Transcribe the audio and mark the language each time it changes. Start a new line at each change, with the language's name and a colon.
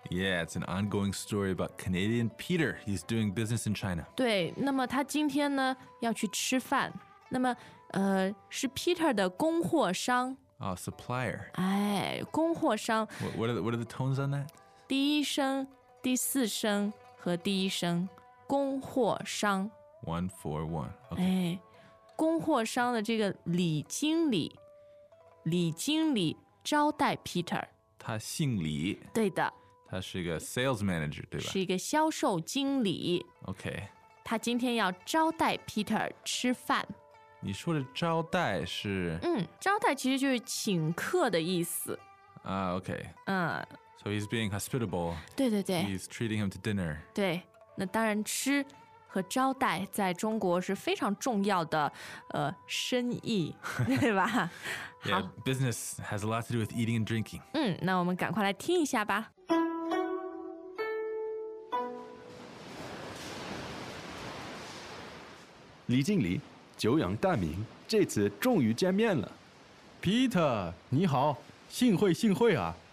English: Yeah, it's an ongoing story about Canadian Peter. He's doing business in China.
Chinese: 对，那么他今天呢，要去吃饭。那么，是 Peter 的供货商。
English: Oh, supplier.
Chinese: 哎，供货商。
English: What are the tones on that?
Chinese: 第一声、第四声和第一声，供货商。
English: 141, okay.
Chinese: 哎，供货商的这个李经理招待 Peter。他姓李。对的。他是一个 sales manager, 对吧？是一个销售经理。
English: Okay.
Chinese: 他今天要招待 Peter 吃饭。你说的招待是？招待其实就是请客的意思。
English: Okay. So he's being hospitable.
Chinese: 对对对。
English: He's treating him to dinner.
Chinese: 对，那当然吃。和招待在中国是非常重要的生意对吧
English: Yeah, business has a lot to do with eating and drinking.
Chinese: 那我们赶快来听一下吧。李经理，久仰大名，这次终于见面了。 Peter, 你好，幸会幸会啊。